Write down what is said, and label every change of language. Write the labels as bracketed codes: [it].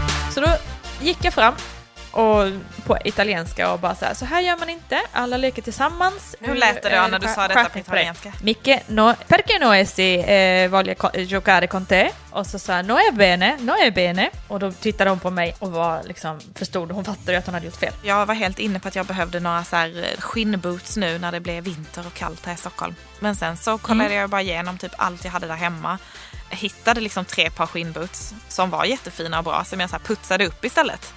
[sv] Så då gick jag fram och på italienska och bara så här gör man inte. Alla leker tillsammans. Hur lät det då när du sa detta på italienska? [it] Micke, no, perché no si voglia giocare con te? [sv] Och så sa [it] no è bene, no è bene. [sv] Och då tittade hon på mig och var liksom, förstod, hon fattade att hon hade gjort fel. Jag var helt inne på att jag behövde några så här skinnboots nu när det blev vinter och kallt här i Stockholm. Men sen så kollade jag bara igenom typ allt jag hade där hemma. Hittade liksom tre par skinnboots som var jättefina och bra, som jag så här putsade upp istället.